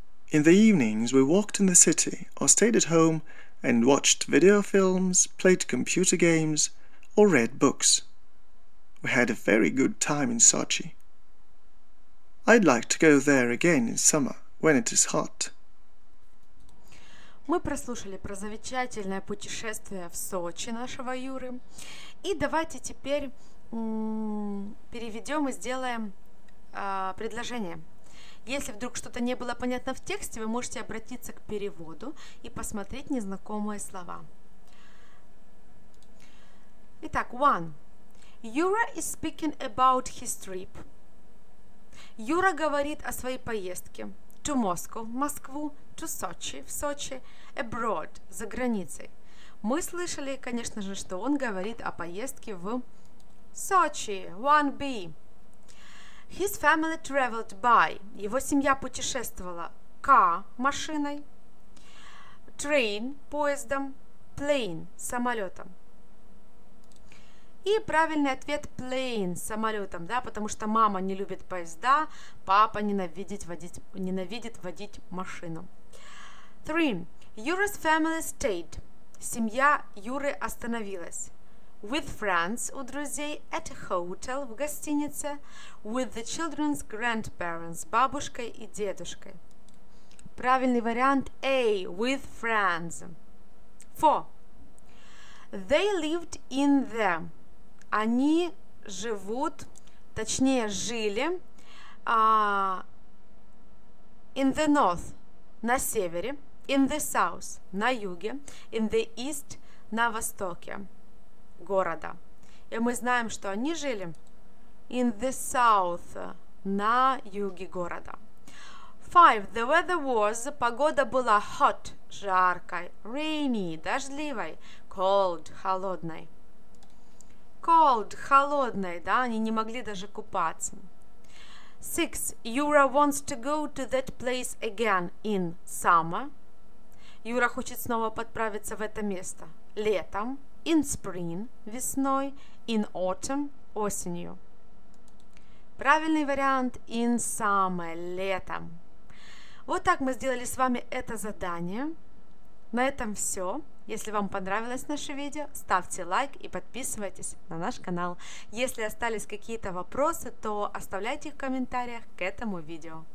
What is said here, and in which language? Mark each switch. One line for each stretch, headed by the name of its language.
English: In the evenings we walked in the city or stayed at home and watched video films, played computer games or read books. We had a very good time in Sochi. I'd like to go there again in summer when it is hot.
Russian: Мы прослушали про замечательное путешествие в Сочи нашего Юры. И давайте теперь переведем и сделаем предложение. Если вдруг что-то не было понятно в тексте, вы можете обратиться к переводу и посмотреть незнакомые слова. Итак,
English: one. Yura is speaking about his trip.
Russian: Юра говорит о своей поездке.
English: To Moscow,
Russian: в Москву.
English: To Sochi,
Russian: в Сочи.
English: Abroad,
Russian: за границей. Мы слышали, конечно же, что он говорит о поездке в Сочи.
English: 1B. His family traveled by.
Russian: Его семья путешествовала
English: car,
Russian: машиной,
English: train,
Russian: поездом,
English: plane,
Russian: самолетом. И правильный ответ
English: plane,
Russian: самолетом, да, потому что мама не любит поезда, папа ненавидит водить машину.
English: 3. Yura's family stayed.
Russian: Семья Юры остановилась.
English: With friends,
Russian: у друзей,
English: at a hotel,
Russian: в гостинице,
English: with the children's grandparents,
Russian: бабушкой и дедушкой. Правильный вариант A,
English: with friends. 4. They lived in the...
Russian: Они живут, точнее, жили
English: in the north,
Russian: на севере,
English: in the south,
Russian: на юге,
English: in the east,
Russian: на востоке. Города. И мы знаем, что они жили
English: in the south,
Russian: на юге города. 5.
English: The weather was,
Russian: погода была
English: hot,
Russian: жаркой,
English: rainy,
Russian: дождливой,
English: cold,
Russian: холодной.
English: Cold,
Russian: холодной, да, они не могли даже купаться. 6.
English: Yura wants to go to that place again in summer.
Russian: Юра хочет снова отправиться в это место летом.
English: In spring,
Russian: весной,
English: in autumn,
Russian: осенью. Правильный вариант
English: in summer,
Russian: летом. Вот так мы сделали с вами это задание. На этом все. Если вам понравилось наше видео, ставьте лайк и подписывайтесь на наш канал. Если остались какие-то вопросы, то оставляйте их в комментариях к этому видео.